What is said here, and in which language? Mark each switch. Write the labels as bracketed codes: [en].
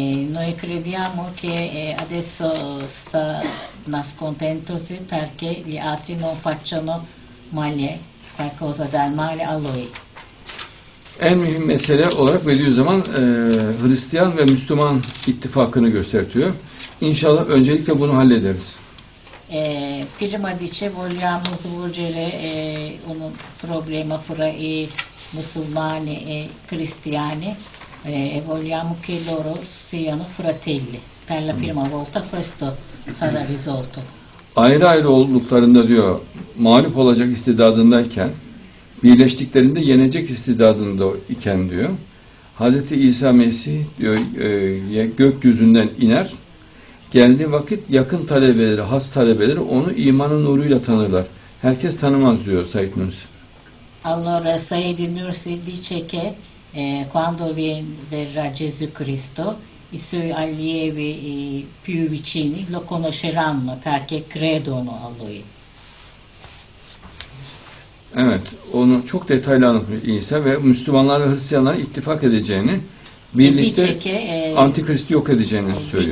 [it] Noi crediamo che adesso sta nascondendosi perché gli altri non facciano male. Qualcosa del male a lui. [tr] En mühim mesele olarak Bediüzzaman Hristiyan ve Müslüman ittifakını göstertiyor. İnşallah öncelikle bunu hallederiz. [it] Prima dice vogliamo svolgere un problema fra i musulmani e cristiani e vogliamo che loro siano fratelli. Per la prima volta questo sarà risolto. [tr] Ayrı ayrı olduklarında diyor, mağlup olacak istidadındayken, birleştiklerinde yenecek istidadındayken diyor, Hazreti İsa Mesih diyor gökyüzünden iner, geldiği vakit yakın talebeleri, has talebeleri onu imanın nuruyla tanırlar. Herkes tanımaz diyor Said Nursi. [it] Allora Said Nursi dice che quando verrà Gesù Cristo i suoi allievi i più vicini lo conosceranno perché credono a lui. [tr] Evet, onu çok detaylı anlatıyor İsa ve Müslümanlar ve Hristiyanlar ittifak edeceğini, birlikte Antikrist'i yok edeceğini söylüyor.